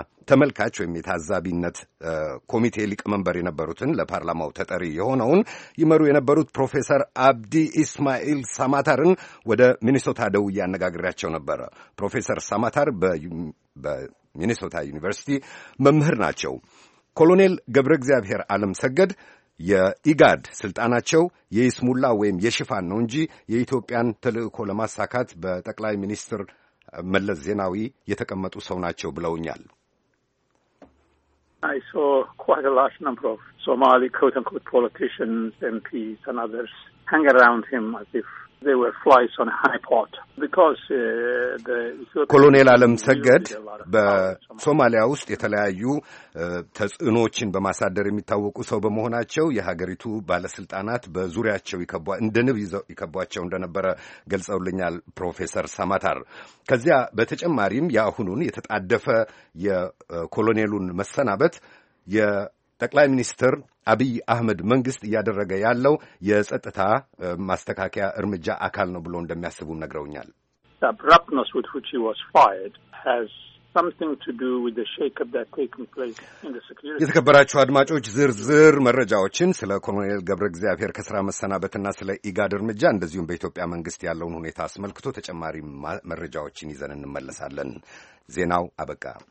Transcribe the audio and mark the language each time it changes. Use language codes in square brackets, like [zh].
[am] ተመልካች ወይም የታዛቢነት ኮሚቴ ሊቀመንበር የነበሩትን ለፓርላማው ተጠሪ የሆነውን ይመሩ የነበሩት ፕሮፌሰር አብዲ ኢስማኤል ሳማታርን ወደ ሚኒሶታ ደውዬ አነጋግሬያቸው ነበረ። ፕሮፌሰር ሳማታር በሚኒሶታ ዩኒቨርሲቲ መምህር ናቸው። ኮሎኔል ገብረ እግዚአብሔር ዓለም ሰገድ የኢጋድ ስልጣናቸው የይስሙላ ወይም የሽፋን ነው እንጂ የኢትዮጵያን ተልእኮ ለማሳካት በጠቅላይ ሚኒስትር መለስ ዜናዊ የተቀመጡ ሰው ናቸው ብለውኛል። [en] I saw quite a large number of Somali quote-unquote politicians, MPs and others hang around him as if they were flies on a honeypot because the Colonel Alam Sagad [am] በሶማሊያ ውስጥ የተለያዩ ተጽዕኖችን በማሳደር የሚታወቁ ሰው በመሆናቸው የሀገሪቱ ባለስልጣናት በዙሪያቸው እንደ ንብ ይዘው ይከቧቸው እንደነበረ ገልጸውልኛል ፕሮፌሰር ሳማታር። ከዚያ በተጨማሪም የአሁኑን የተጣደፈ የኮሎኔሉን መሰናበት ጠቅላይ ሚኒስትር አብይ አህመድ መንግስት እያደረገ ያለው የጸጥታ ማስተካከያ እርምጃ አካል ነው ብሎ እንደሚያስቡም ነግረውኛል። [en] The abruptness with which he was fired has something to do with the shakeup that taking place in the security. [am] የተከበራችሁ አድማጮች፣ ዝርዝር መረጃዎችን ስለ ኮሎኔል ገብረ እግዚአብሔር ከስራ መሰናበትና ስለ ኢጋድ እርምጃ እንደዚሁም በኢትዮጵያ መንግስት ያለውን ሁኔታ አስመልክቶ ተጨማሪ መረጃዎችን ይዘን እንመለሳለን። ዜናው አበቃ።